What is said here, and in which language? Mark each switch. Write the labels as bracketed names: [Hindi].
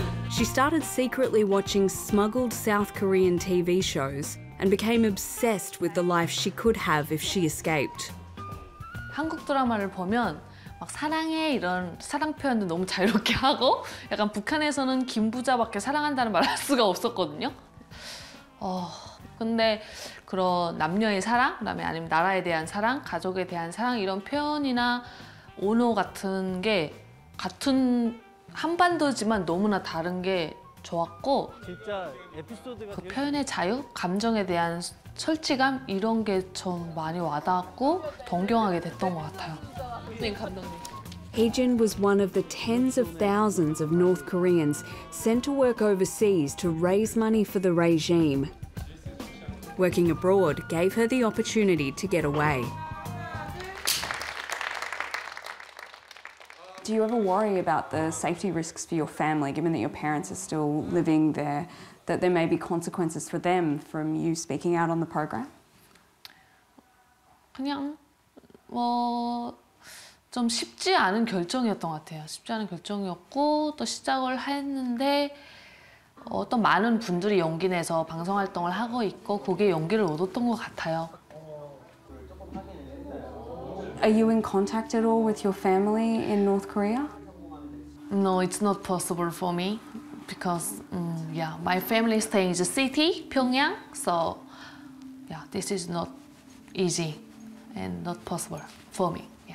[English] She started secretly watching smuggled South Korean TV shows and became obsessed with the life she could have if she escaped. [Korean] 한국 드라마를 보면 막 사랑해 이런 사랑 표현도 너무 자유롭게 하고 약간 북한에서는 김부자밖에 사랑한다는 말 할 수가 없었거든요. 근데 그런 남녀의 사랑, 그다음에 아니면 나라에 대한 사랑, 가족에 대한 사랑 이런 표현이나 언어 같은 게 같은 한반도지만 너무나 다른 게 좋았고 진짜 에피소드가 그 표현의 자유, 감정에 대한 솔직함 이런 게 좀 많이 와닿았고 동경하게 됐던 것 같아요. 감독님. [English] Hee-Jin was one of the tens of thousands of North Koreans sent to work overseas to raise money for the regime. Working abroad gave her the opportunity to get away. Do you ever worry about the safety risks for your family, given that your parents are still living there, that there may be consequences for them from you speaking out on the program? [Korean] 그냥 뭐 좀 쉽지 않은 결정이었던 것 같아요. 쉽지 않은 결정이었고 또 시작을 했는데 어떤 많은 분들이 용기 내서 방송 활동을 하고 있고 거기에 용기를 얻었던 것 같아요. [English] Are you in contact at all with your family in North Korea? No, it's not possible for me because yeah, my family is staying in the city, Pyongyang, so yeah, this is not easy and not possible for me.